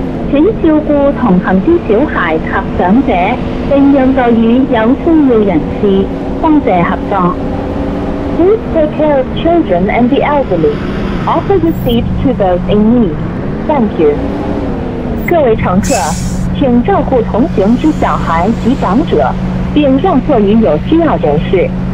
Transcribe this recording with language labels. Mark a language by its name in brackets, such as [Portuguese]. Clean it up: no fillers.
[Chinese] 请照顾同行之小孩及长者，并让座与有需要人士，多谢合作。 [English] Please take care of children and the elderly. Offer your seat to those in need. Thank you. [Chinese] 各位乘客，请照顾同行之小孩及长者，并让座于有需要人士。